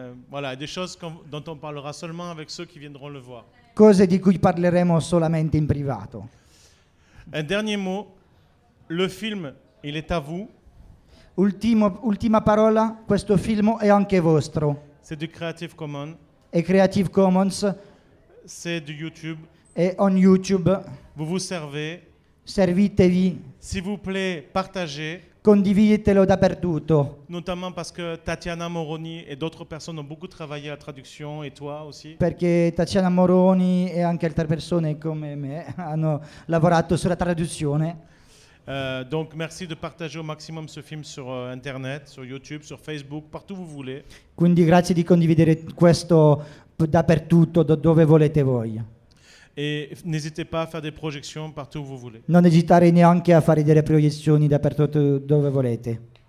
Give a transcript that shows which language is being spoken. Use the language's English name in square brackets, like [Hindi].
[French] Voilà, des choses dont on parlera seulement avec ceux qui viendront le voir. [Italian] Cose di cui parleremo solamente in privato. [French] Un dernier mot, le film, il est à vous. [Italian] Ultima parola, questo film è anche vostro. [French] C'est du Creative Commons. [Italian] È Creative Commons. [French] C'est du YouTube. [Italian] È on YouTube. [French] Vous vous servez. [Italian] Servitevi. [French] S'il vous plaît, partagez. [Italian] Condividetelo dappertutto. [French] Notamment parce que Tatiana Moroni et d'autres personnes ont beaucoup travaillé la traduction et toi aussi. [Italian] Perché Tatiana Moroni e anche altre persone come me hanno lavorato sulla traduzione. [French] Donc merci de partager au maximum ce film sur internet, sur YouTube, sur Facebook, partout vous voulez. [Italian] Quindi grazie di condividere questo dappertutto dove volete voi. [French] Et n'hésitez pas à faire des projections partout où vous voulez. [Italian] Non esitare neanche a fare delle proiezioni dappertutto dove volete.